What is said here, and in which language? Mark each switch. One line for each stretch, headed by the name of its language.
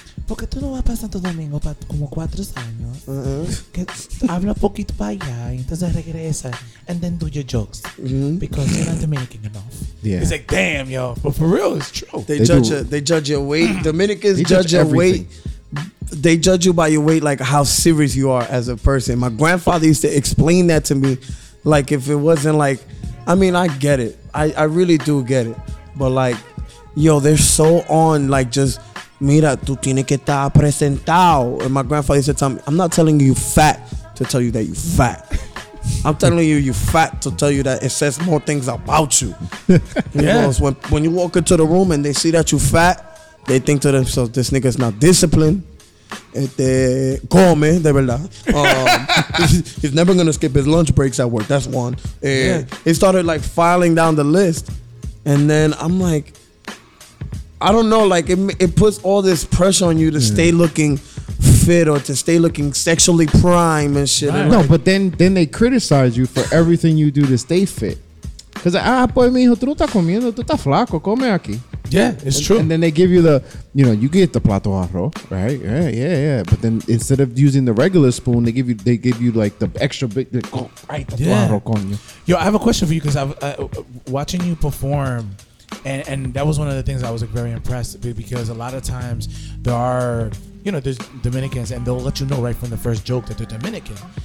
Spanish: Porque tú no vas para Santo Domingo para como 4 años. Uh-huh. Que habla poquito para allá y entonces regresa.
English: And then do your jokes. Mm-hmm. Because you're not Dominican enough. Yeah. It's like, damn, yo. But for real, it's true. They judge your weight. Dominicans judge your weight. they judge you by your weight, like how serious you are as a person. My grandfather used to explain that to me, like if it wasn't like, I mean, I get it. I really do get it. But like, yo, they're so on, like just,
Spanish: mira, tú tienes que estar presentado.
English: And my grandfather used to tell me, I'm not telling you fat to tell you that you fat. I'm telling you, you fat to tell you that it says more things about you. Yeah. You know, when you walk into the room and they see that you fat, they think to themselves, this nigga's not disciplined.
Spanish: Este, come, de verdad.
English: he's never going to skip his lunch breaks at work. That's one. Yeah. He started like filing down the list. And then I'm like, I don't know. Like it puts all this pressure on you to stay looking fit or to stay looking sexually prime and shit. Right. And no, like, but then they criticize you for everything you do to stay fit. Cause
Spanish: pues mijo, tú no estás comiendo, tú estás flaco, come aquí.
English: Yeah, it's true. And then they give you you get the
Spanish: plato arroz,
English: right? Yeah. But then instead of using the regular spoon, they give you like the extra big, right? The
Spanish: plato arroz con
English: you. Yo, I have a question for you because I'm watching you perform. And that was one of the things I was like very impressed with, because a lot of times there are, you know, there's Dominicans and they'll let you know right from the first joke that they're Dominican.